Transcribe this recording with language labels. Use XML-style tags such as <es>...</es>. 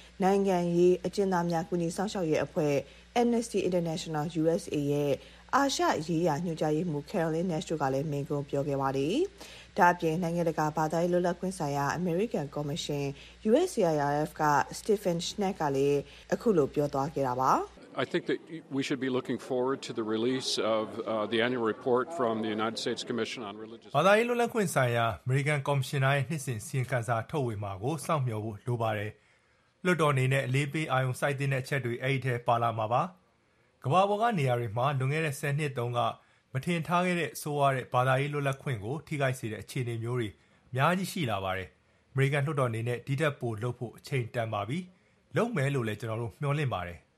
<my>နိုင်ငံရေးအကျဉ်းသားများကူညီစောင့်ရှောက်ရေးအဖွဲ့ NSD International USA ရဲ့အာရှရေးရာညွှန်ကြားရေးမှူး Carolyn Nash ကလည်းမင်းကုန်ပြောခဲ့ပါသည်ဒါအပြင်နိုင်ငံတကာဘာသာရေးလွတ်လပ်ခွင့်ဆိုင်ရာ American Commission USCIRF က Stephen Schneck ကလည်းအခုလိုပြောသွားခဲ့တာပါ</my> <en>I think that we should be looking forward to the release of the annual report from the United States Commission on Religious</en> <my>ဘာသာရေးလွတ်လပ်ခွင့်ဆိုင်ရာ American Commission ရဲ့နှစ်စဉ်စီရင်ခန်းစာထုတ်ဝေမှာကိုစောင့်မျှော်ဖို့လိုပါတယ်လွတ်တော်အနေနဲ့အလေးပေးအာရုံစိုက်တဲ့အချက်တွေအဲ့ဒီထဲပါလာမှာပါကမ္ဘာပေါ်ကနေရာတွေမှာလွန်ခဲ့တဲ့10နှစ်တုန်းကမထင်ထားခဲ့တဲ့ဆိုးရတဲ့ဘာသာရေးလွတ်လပ်ခွင့်ကိုထိခိုက်စေတဲ့အခြေအနေမျိုးတွေအများကြီးရှိလာပါတယ် American လွတ်တော်အနေနဲ့ဒီထက်ပိုလှုပ်ဖို့အချိန်တန်ပါပြီလုပ်မယ်လို့လည်းကျွန်တော်တို့မျှော်လင့်ပါတယ်</my>